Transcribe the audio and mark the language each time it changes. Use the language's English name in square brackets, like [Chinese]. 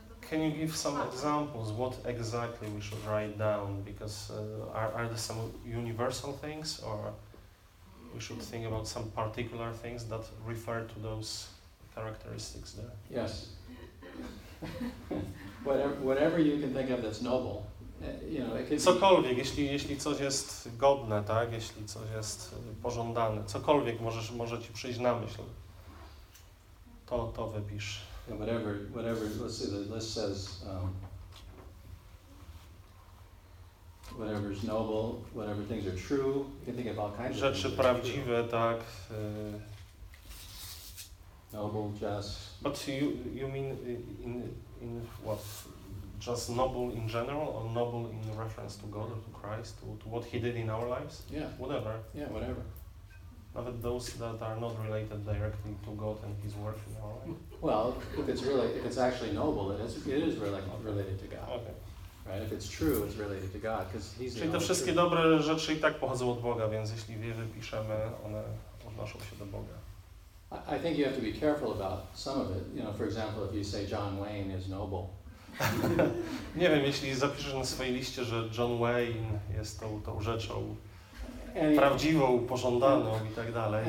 [English] Can you give some examples? What exactly we should write down? Because are there some universal things, or we should think about some particular things that refer to those characteristics there? Yes. whatever you can think of that's noble, [Polish] Cokolwiek, jeśli coś jest godne, tak? Jeśli coś jest pożądane, cokolwiek może ci przyjść na myśl, to wypisz. [English] Yeah, whatever, let's see, the list says, whatever is noble, whatever things are true, you can think of all kinds of [Polish] rzeczy prawdziwe, tak? [English] Noble, just. But you mean in what? Just noble in general, or noble in reference to God or to Christ, to what He did in our lives? Yeah. Whatever. Yeah, whatever. But those that are not related directly to God and His work in our life? Well, if it's actually noble, it is related to God. Okay. Right? If it's true, it's related to God, because He's. [Polish] Czyli te wszystkie dobre rzeczy i tak pochodzą od Boga, więc jeśli je wypiszemy, one odnoszą się do Boga. [English] I think you have to be careful about some of it. You know, for example, if you say John Wayne is noble. [Polish] Nie wiem, jeśli zapiszesz na swojej liście, że John Wayne jest tą rzeczą prawdziwą, pożądaną i tak dalej.